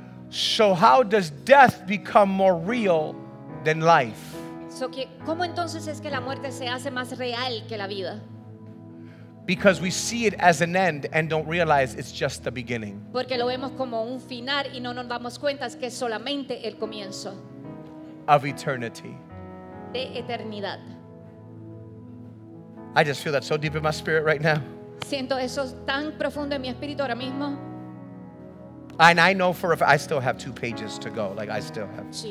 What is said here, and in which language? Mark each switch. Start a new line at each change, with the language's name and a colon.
English: So how does death become more real than life?
Spanish: So que, ¿cómo entonces es que la muerte se hace más real que la vida?
English: Because we see it as an end and don't realize it's just the beginning.
Spanish: Porque lo vemos como un final y no nos damos cuenta que es solamente el comienzo.
English: Of eternity.
Spanish: De eternidad.
English: I just feel that so deep in my spirit right now.
Spanish: Siento eso tan profundo en mi espíritu ahora mismo.
English: And I know for a fact, I still have 2 pages to go. Like, I still have.